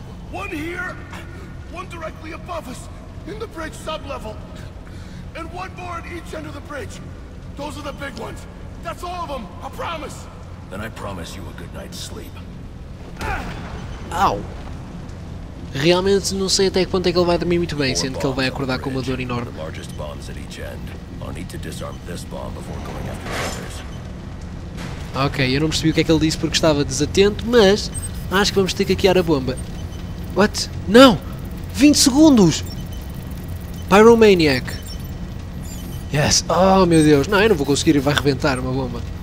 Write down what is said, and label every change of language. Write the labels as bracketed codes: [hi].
[en] One here, one directly above us, in the bridge sub-level, and one more at each end of the bridge. Those are the big ones. That's all of them, I promise. Then I promise you a good night's sleep. Ow! [pt] Realmente não sei até que ponto é que ele vai dormir muito bem, sendo que ele vai acordar com uma dor enorme. [en] The largest bombs at each end. I'll need to disarm this bomb before going after the others. [pt] Ok, eu não percebi o que é que ele disse porque estava desatento, mas acho que vamos ter que hackear a bomba. [en] What? [pt] Não! 20 segundos! Pyromaniac! [en] Yes! [pt] Oh meu Deus! Não, eu não vou conseguir, vai rebentar uma bomba.